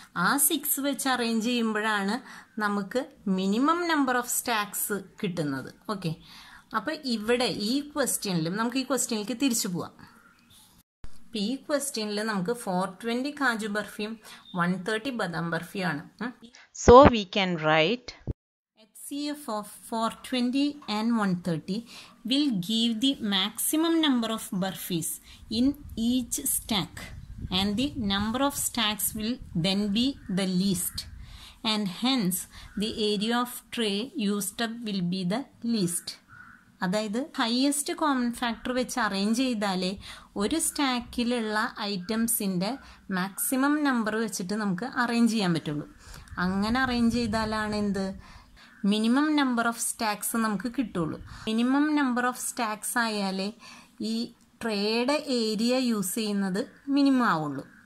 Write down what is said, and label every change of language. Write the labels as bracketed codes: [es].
[ml] ആ സിക്സ് വെച്ച് അറേഞ്ച് ചെയ്യുമ്പോഴാണ് നമുക്ക് മിനിമം നമ്പർ ഓഫ് സ്റ്റാക്സ് കിട്ടുന്നത്. ഓക്കെ, അപ്പോൾ ഇവിടെ ഈ ക്വസ്റ്റ്യനിലും നമുക്ക് ഈ ക്വസ്റ്റ്യനിലേക്ക് തിരിച്ചു പോവാം. ഇപ്പം ഈ ക്വസ്റ്റ്യനിൽ നമുക്ക് 420 കാജു ബർഫിയും 130 ബദാം ബർഫിയും ആണ്. [en] So we can write CF of 420 and 130 will give the maximum number of burfis in each stack and the number of stacks will then be the least and hence the area of tray used up will be the least. [ml] അതായത് highest common factor വെച്ച് arrange ചെയ്താലേ ഒരു സ്റ്റാക്കിലുള്ള ഐറ്റംസിൻ്റെ maximum number വെച്ചിട്ട് നമുക്ക് arrange ചെയ്യാൻ പറ്റുള്ളൂ. അങ്ങനെ arrange ചെയ്താലാണ് എന്ത്? മിനിമം നമ്പർ ഓഫ് സ്റ്റാക്സ് നമുക്ക് കിട്ടുള്ളൂ. മിനിമം നമ്പർ ഓഫ് സ്റ്റാക്സ് ആയാലേ ഈ ട്രേയുടെ ഏരിയ യൂസ് ചെയ്യുന്നത് മിനിമം ആവുള്ളൂ.